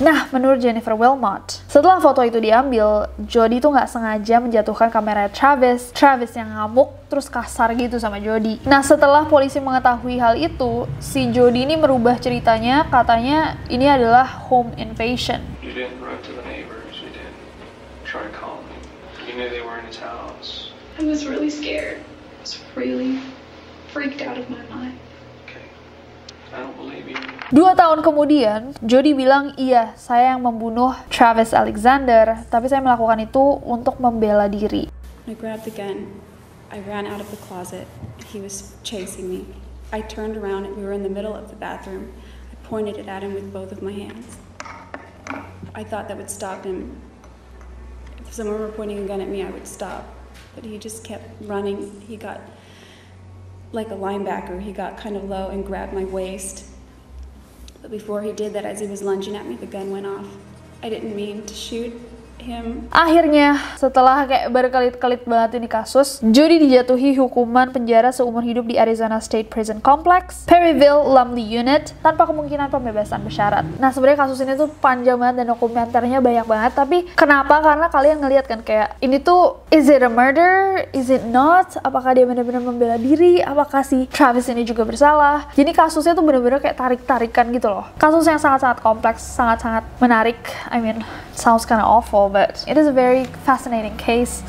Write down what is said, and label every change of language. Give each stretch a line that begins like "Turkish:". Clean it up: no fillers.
Indonesian: Nah, menurut Jennifer Wilmot, setelah foto itu diambil, Jodie tuh gak sengaja menjatuhkan kamera Travis. Travis yang ngamuk terus kasar gitu sama Jodie. Nah, setelah polisi mengetahui hal itu, si Jodie ini merubah ceritanya, katanya ini adalah home invasion.
English: You didn't run to the neighbors, you didn't try calling them. You knew they were in his house. I was really scared. I was really freaked out of my mind. Okay, I don't believe you.
Indonesian: 2 tahun kemudian, Jodie bilang, iya, saya yang membunuh Travis Alexander, tapi saya melakukan itu untuk membela diri.
English: I grabbed the gun. I ran out of the closet. He was chasing me. I turned around and we were in the middle of the bathroom. I pointed it at him with both of my hands. I thought that would stop him. If someone were pointing a gun at me, I would stop. But he just kept running. He got like a linebacker. He got kind of low and grabbed my waist. But before he did that, as he was lunging at me, the gun went off. I didn't mean to shoot him.
Indonesian: Akhirnya, setelah kayak berkelit-kelit banget ini kasus, Judy dijatuhi hukuman penjara seumur hidup di Arizona State Prison Complex, Perryville Lumley Unit, tanpa kemungkinan pembebasan bersyarat. Nah, sebenarnya kasus ini tuh panjang banget dan dokumenternya banyak banget, tapi kenapa? Karena kalian ngelihat kan kayak, ini tuh,
English: is it a murder? Is it not?
Indonesian: Apakah dia benar-benar membela diri? Apakah si Travis ini juga bersalah? Jadi kasusnya tuh benar-benar kayak tarik-tarikan gitu loh. Kasus yang sangat-sangat kompleks, sangat-sangat menarik.
English: I mean, sounds kind of awful, but it is a very fascinating case.